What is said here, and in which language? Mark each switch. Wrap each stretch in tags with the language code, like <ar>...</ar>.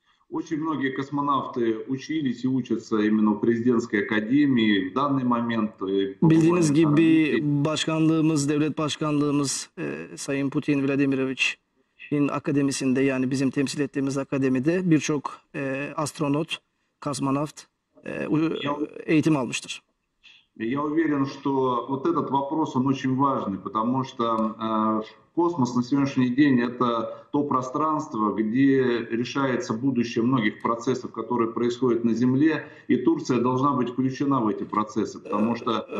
<ru>Очень многие космонавты учились и учатся именно в президентской академии. В данный момент...</ru> <tr>Bildiğiniz gibi başkanlığımız, devlet başkanlığımız Sayın Putin Vladimirovich akademisinde, yani bizim temsil ettiğimiz akademide birçok astronot, kozmonavt eğitim almıştır.</tr> <ru>Я уверен, что вот этот вопрос он очень важный, потому что космос на сегодняшний день это то пространство, где решается будущее многих процессов, которые происходят на Земле, и Турция должна быть включена в эти процессы, потому что</ru>